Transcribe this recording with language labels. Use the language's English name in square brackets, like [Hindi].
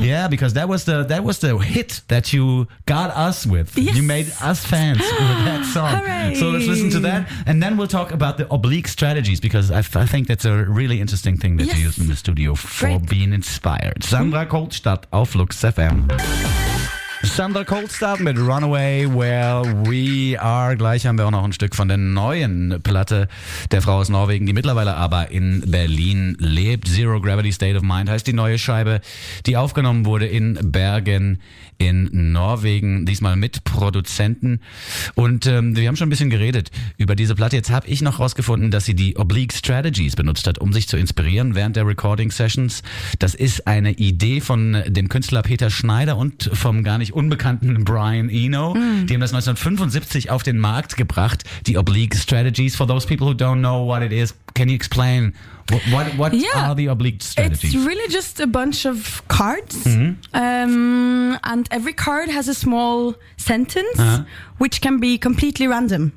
[English] Yeah, because that was the hit that you got us with. Yes. You made us fans with that song. Hooray. So let's listen to that. And then we'll talk about the oblique strategies, because I think that's a really interesting thing that you use in the studio for being inspired. Sandra Coldstadt [German] auf Lux FM. Sandra Coldstart mit Runaway Where We Are. Gleich haben wir auch noch ein Stück von der neuen Platte der Frau aus Norwegen, die mittlerweile aber in Berlin lebt. Zero Gravity State of Mind heißt die neue Scheibe, die aufgenommen wurde in Bergen in Norwegen, diesmal mit Produzenten. Und wir haben schon ein bisschen geredet über diese Platte. Jetzt habe ich noch rausgefunden, dass sie die Oblique Strategies benutzt hat, um sich zu inspirieren während der Recording Sessions. Das ist eine Idee von dem Künstler Peter Schneider und vom gar nicht unbekannten Brian Eno. Mm. Die haben das 1975 auf den Markt gebracht. [English] Die Oblique Strategies, for those people who don't know what it is, can you explain what are the Oblique Strategies? It's really just a bunch of cards. Mm-hmm. And every card has a small sentence, which can be completely random.